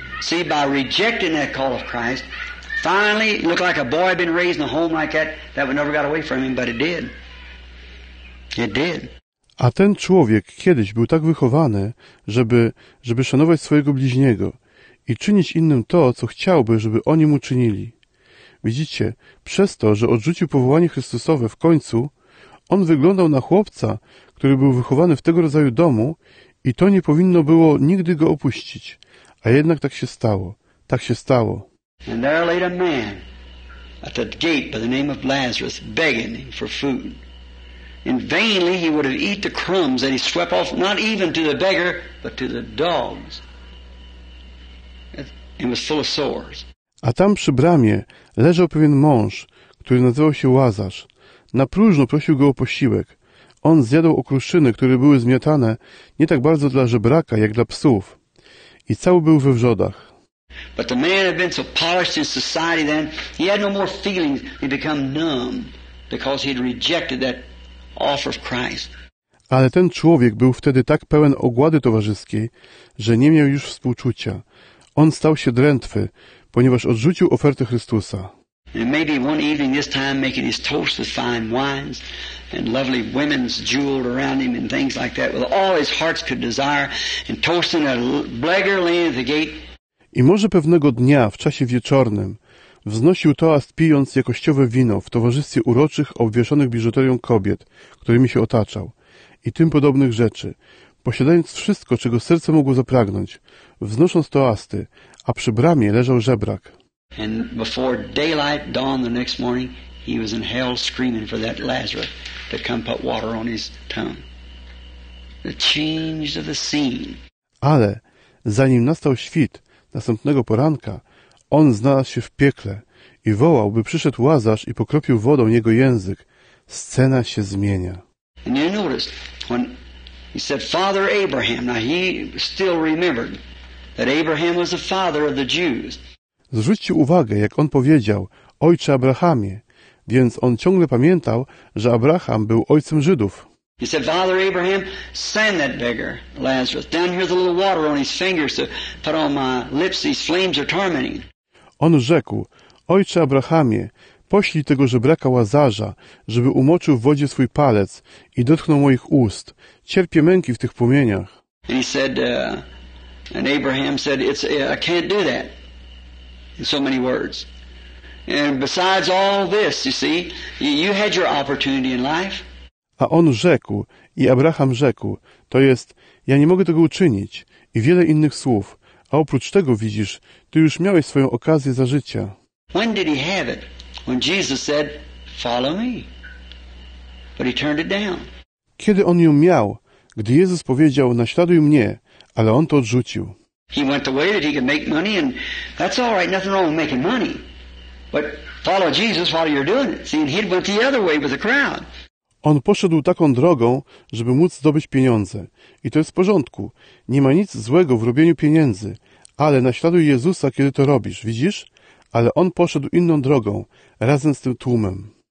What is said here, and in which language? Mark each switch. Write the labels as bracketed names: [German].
[English] See, by rejecting that call of Christ, finally looked like a boy been raised in a home like that, that would never got away from him, but it did. It did. [Polish] A ten człowiek kiedyś był tak wychowany, żeby szanować swojego bliźniego. I czynić innym to, co chciałby, żeby oni mu czynili. Widzicie, przez to, że odrzucił powołanie Chrystusowe w końcu, on wyglądał na chłopca, który był wychowany w tego rodzaju domu i to nie powinno było nigdy go opuścić. A jednak tak się stało. Tak się stało. [English] And there laid a man at the gate by the name of Lazarus begging him for food. And vainly he would have eat the crumbs that he swept off not even to the beggar, but to the dogs. And was full of sores. [Polish] A tam przy bramie leżał pewien mąż, który nazywał się Łazarz. Na próżno prosił go o posiłek. On zjadał okruszyny, które były zmiatane nie tak bardzo dla żebraka, jak dla psów. I cały był we wrzodach. [English] But the man had been so polished in society then, he had no more feelings. He became numb because he had rejected that offer of Christ. [Polish] Ale ten człowiek był wtedy tak pełen ogłady towarzyskiej, że nie miał już współczucia. On stał się drętwy, ponieważ odrzucił ofertę Chrystusa. [English] And maybe one evening this time making his toast with fine wines and lovely women's jeweled around him and things like that with all his heart could desire and toasting a beggar laying at the gate. [Polish] I może pewnego dnia w czasie wieczornym wznosił toast pijąc jakościowe wino w towarzystwie uroczych, obwieszonych biżuterią kobiet, którymi się otaczał i tym podobnych rzeczy. Posiadając wszystko, czego serce mogło zapragnąć, wznosząc toasty, a przy bramie leżał żebrak. [English] And before daylight dawned the next morning, he was in hell screaming for that Lazarus to come put water on his tongue. The change of the scene. [Polish] Ale zanim nastał świt, Następnego poranka on znalazł się w piekle i wołał, by przyszedł Łazarz i pokropił wodą jego język. Scena się zmienia. [English] And you notice when he said, Father Abraham, now he still remembered that Abraham was the father of the Jews. [Polish] Zwróćcie uwagę, jak on powiedział, Ojcze Abrahamie, więc on ciągle pamiętał, że Abraham był ojcem Żydów. [English] He said, Father Abraham, send that beggar, Lazarus, down here with a little water on his fingers to put on my lips, these flames are tormenting. [Polish] On rzekł, Ojcze Abrahamie, poślij tego żebraka Łazarza, żeby umoczył w wodzie swój palec i dotknął moich ust. Cierpię męki w tych płomieniach. [English] And he said, and Abraham said, it's, I can't do that. In so many words. And besides all this, you see, you had your opportunity in life. [Polish] A on rzekł, i Abraham rzekł, to jest, ja nie mogę tego uczynić, i wiele innych słów, a oprócz tego widzisz, ty już miałeś swoją okazję za życia. [English] When did he have it? When Jesus said, follow me. But he turned it down. [Polish] Kiedy on ją miał? Gdy Jezus powiedział, naśladuj mnie, ale on to odrzucił. [English] He went the way that he could make money, and that's all right, nothing wrong with making money. But follow Jesus while you're doing it. See, and he went the other way with the crowd. [Polish] On poszedł taką drogą, żeby móc zdobyć pieniądze. I to jest w porządku. Nie ma nic złego w robieniu pieniędzy. Ale naśladuj Jezusa, kiedy to robisz. Widzisz? Ale on poszedł inną drogą, razem z tym tłumem.